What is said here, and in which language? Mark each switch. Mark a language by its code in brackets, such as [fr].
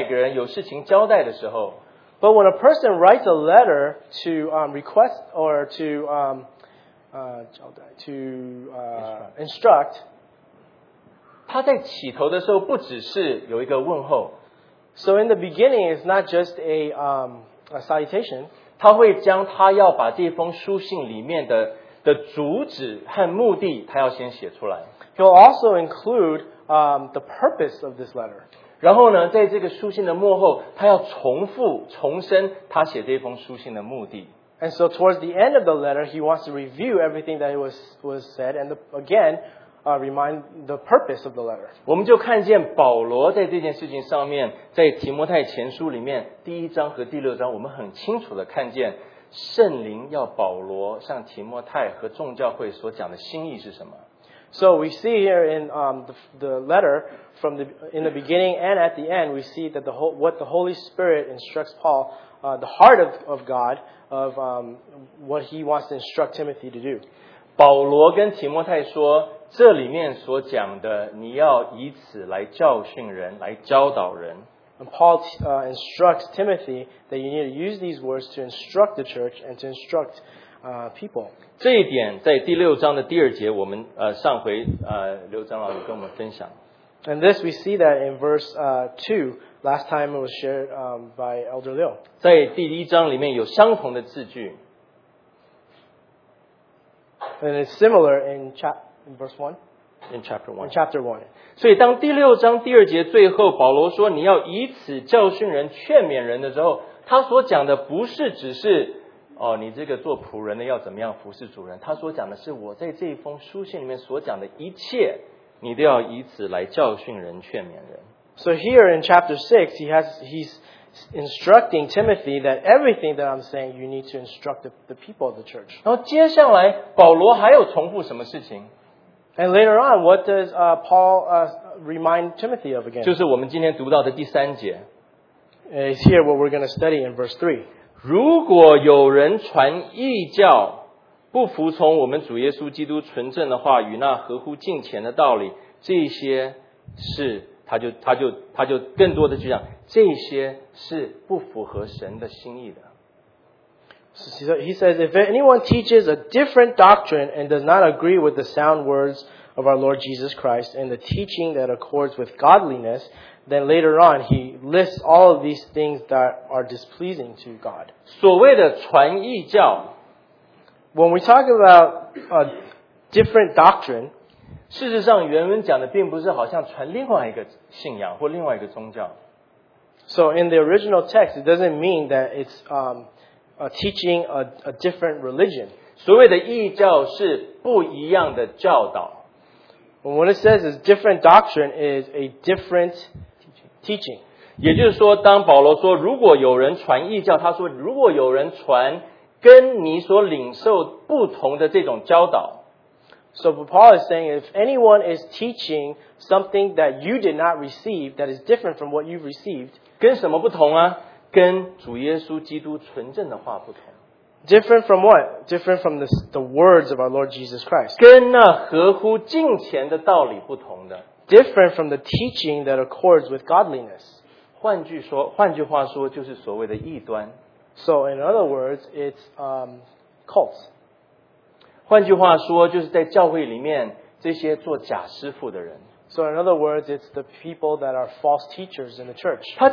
[en] But when a person writes a letter to request or to instruct, [zh] 他在起头的时候不只是有一个问候。 [en] So in the beginning, it's not just a salutation, [zh] 他会将他要把这封书信里面的主旨和目的，他要先写出来。 [en] He'll also include the purpose of this letter. [zh] 然后呢，在这个书信的末后，他要重复重申他写这封书信的目的。 [en] And so towards the end of the letter, he wants to review everything that was said, and remind the purpose of the letter. [zh] 我们就看见保罗在这件事情上面，在提摩太前书里面第一章和第六章，我们很清楚的看见圣灵要保罗向提摩太和众教会所讲的心意是什么。 [en] So we see here in the letter from the in the beginning and at the end, we see that what the Holy Spirit instructs Paul, the heart of God of what he wants to instruct Timothy to do. [zh] 保罗跟提摩太说，这里面所讲的，你要以此来教训人，来教导人。 [en] And Paul instructs Timothy that you need to use these words to instruct the church and to instruct. People. [zh] 这一点在第六章的第二节，我们上回刘长老有跟我们分享。 [en] And this we see that in verse two, last time it was shared by Elder Liu. [zh] 在第一章里面有相同的字句。 [en] And it's similar in verse one. In chapter one. In chapter one. [zh] 所以当第六章第二节最后保罗说你要以此教训人、劝勉人的时候，他所讲的不是只是。哦，你这个做仆人的要怎么样服侍主人？他所讲的是我在这一封书信里面所讲的一切，你都要以此来教训人、劝勉人。 [en] So here in chapter 6, he's instructing Timothy that everything that I'm saying, you need to instruct the people of the church. [zh] 然后接下来保罗还有重复什么事情 [en] ？And later on, what does Paul remind Timothy of again? [zh] 就是我们今天读到的第三节。 [en] It's here what we're going to study in verse 3. [zh] 如果有人传异教，不服从我们主耶稣基督纯正的话，与那合乎敬虔的道理，这些是他就更多的去讲，这些是不符合神的心意的。 [en] So he says, if anyone teaches a different doctrine and does not agree with the sound words of our Lord Jesus Christ and the teaching that accords with godliness. Then later on, he lists all of these things that are displeasing to God. [zh] 所谓的传异教 [en] When we talk about a different doctrine, [zh] 事实上原文讲的并不是好像传另外一个信仰或另外一个宗教 [en] So in the original text, it doesn't mean that it's teaching a different religion. [zh] 所谓的异教是不一样的教导 [en] What it says is different doctrine is a different teaching. [zh] 也就是说当保罗说如果有人传异教他说如果有人传跟你所领受不同的这种教导 [en] So Paul is saying if anyone is teaching something that you did not receive, that is different from what you've received, [zh] 跟什么不同啊跟主耶稣基督纯正的话不同 [en] Different from what? Different from the words of our Lord Jesus Christ. [zh] 跟那合乎敬虔的道理不同的。 [en] Different from the teaching that accords with godliness. [zh] 换句话说就是所谓的异端。 [en] So in other words, it's cults. [zh] 换句话说就是在教会里面这些做假师傅的人。 [en] So in other words, it's the people that are false teachers in the church.